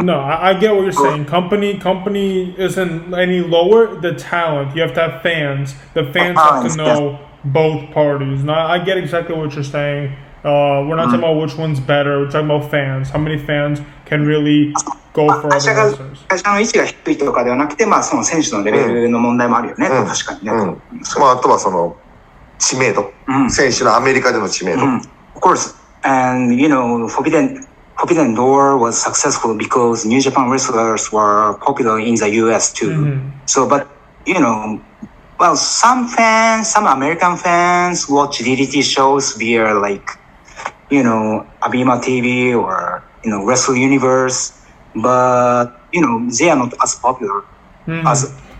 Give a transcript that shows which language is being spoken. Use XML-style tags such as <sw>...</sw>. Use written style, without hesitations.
<en>No, I get what you're saying. Company isn't any lower. The talent, you have to have fans. The fans have to know both parties. Now, I get exactly what you're saying. We're not talking about which one's better. We're talking about fans. How many fans can really go for the answers?</en> <ja>会社の位置が低いとかではなくて、まあ、その選手のレベルの問題もあるよね。確かにね。まあ、あとはその知名度。選手のアメリカでの知名度。</ja> <en>Of course. And, you know, Forbidden Door was successful because New Japan wrestlers were popular in the US too. So, but, you know,Well, some American fans watch DDT shows via, like, you know, ABEMA TV or, you know, Wrestle Universe, but, you know, they are not as popular as</en>